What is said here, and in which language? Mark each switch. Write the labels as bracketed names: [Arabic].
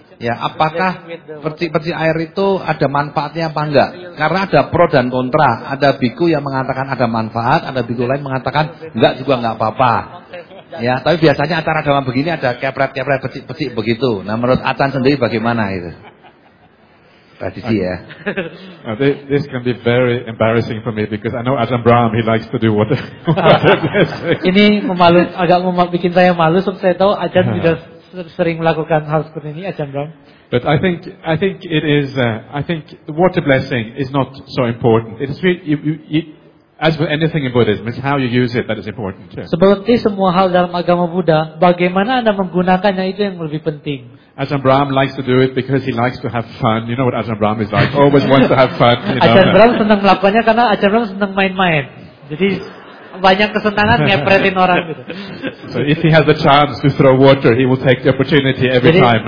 [Indonesian] Ya, apakah percik-percik air itu ada manfaatnya apa enggak? Karena ada pro dan kontra. Ada biku yang mengatakan ada manfaat, ada biku lain mengatakan enggak juga enggak apa-apa. Ya, tapi biasanya acara agama begini ada kepret-kepret percik-percik begitu. Nah, menurut Atan sendiri bagaimana itu? Tradisi ya. [English] This can be very embarrassing for me because I know Adam Brahm, he likes to do water. [Indonesian] Ini agak bikin saya malu, sebab saya tahu Ajahn tidak sering melakukan hal seperti ini, Ajahn Brahm. [English] But I think it is. I think the water blessing is not so important. It's really, as with anything in Buddhism, it's how you use it that is important. [Indonesian] Seperti semua hal dalam agama Buddha, bagaimana Anda menggunakannya itu yang lebih penting. [English] Ajahn Brahm likes to do it because he likes to have fun. You know what Ajahn Brahm is like? Always wants to have fun. [Indonesian] Ajahn Brahm senang melakukannya karena Ajahn Brahm senang main-main. Jadi banyak kesenangan ngepretin orang gitu. [English] So if he has a chance to throw water, he will take the opportunity every time.